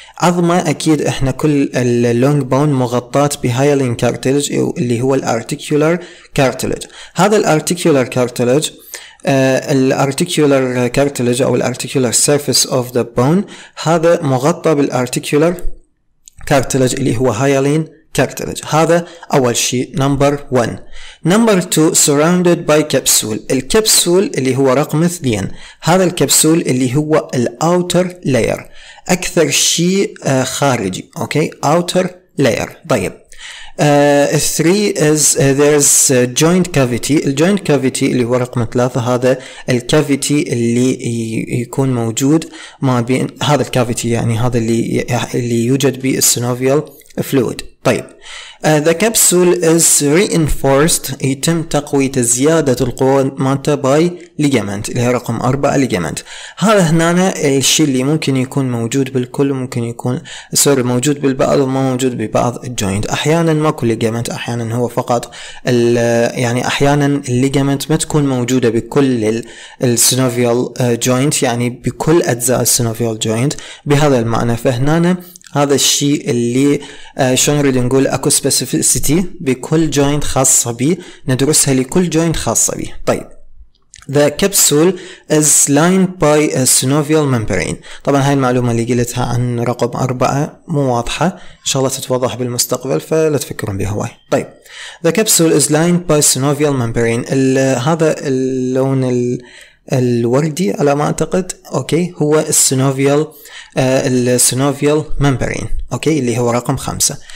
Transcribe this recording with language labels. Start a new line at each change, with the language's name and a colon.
Arabic: عظمة أكيد إحنا كل اللونج بون مغطات بهايلين كارتلج اللي هو الارتيكولار كارتلج. هذا الارتيكولار كارتلج الarticular cartilage أو الarticular surface of the bone، هذا مغطى بالarticular cartilage اللي هو hyaline cartilage. هذا أول شيء
English: number one. number two surrounded by capsule.
Arabic: الكبسول اللي هو رقم اثنين، هذا الكبسول اللي هو the outer layer، أكثر شيء خارجي، أوكي؟ outer layer. طيب
English: 3 is there's joint cavity.
Arabic: الجوينت كافيتي اللي هو رقم 3 هذا الكافيتي اللي يكون موجود ما بين هذا الكافيتي يعني هذا اللي يوجد به السينوفيال فلويد. طيب
English: the capsule is reinforced
Arabic: يتم تقوية زيادة القوة مالته باي ليجمنت اللي هي رقم 4 ليجمنت. هذا هنا الشيء اللي ممكن يكون موجود بالكل ممكن يكون سوري موجود بالبعض وما موجود ببعض الجوينت. احيانا ما كل ليجمنت احيانا هو فقط يعني احيانا الليجمنت ما تكون موجودة بكل السينوفيال جوينت يعني بكل اجزاء السينوفيال جوينت بهذا المعنى. فهنا هذا الشيء اللي شلون نريد نقول اكو سبيسيفيسيتي بكل جوينت خاصه بي ندرسها لكل جوينت خاصه بي.
English: طيب the capsule is lined by a synovial membrane.
Arabic: طبعا هاي المعلومه اللي قلتها عن رقم 4 مو واضحه ان شاء الله تتوضح بالمستقبل فلا تفكرون بها هواي. طيب
English: the capsule is lined by synovial membrane
Arabic: هذا اللون الوردي على ما اعتقد اوكي هو السينوفيال السينوفيال ممبرين اوكي اللي هو رقم 5.